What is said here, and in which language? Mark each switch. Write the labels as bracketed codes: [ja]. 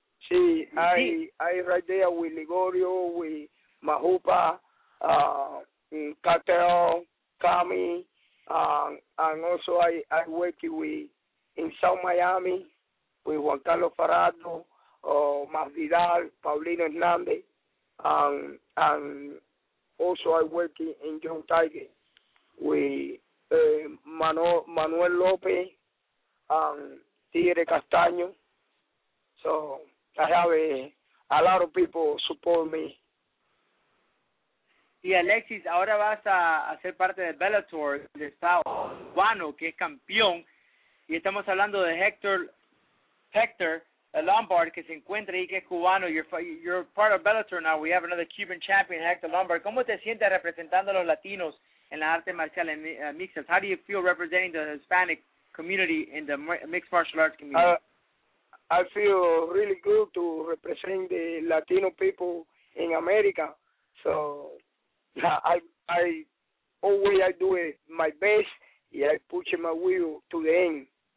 [en] I right there with Ligorio, with Mahupa, Cartel, Kami, and also I work with in South Miami with Juan Carlos Farrado, Mas Vidal, Paulino Hernández, and also I work in John Tiger with Manuel López and Tigre Castaño. So I have a lot of people support me. [es] Y Alexis, ahora vas a ser parte de Bellator, del estado cubano, que es campeón. Y estamos hablando de Hector Lombard, que se encuentra ahí, que es cubano. [en] You're part of Bellator now. We have another Cuban champion, Hector Lombard. [es] ¿Cómo te sientes representando a los latinos en la arte marcial en mixtas? [en] How do you feel representing the Hispanic community in the mixed martial arts community? I feel really good to represent the Latino people in America. So I always do it my best, and I push my will to the end.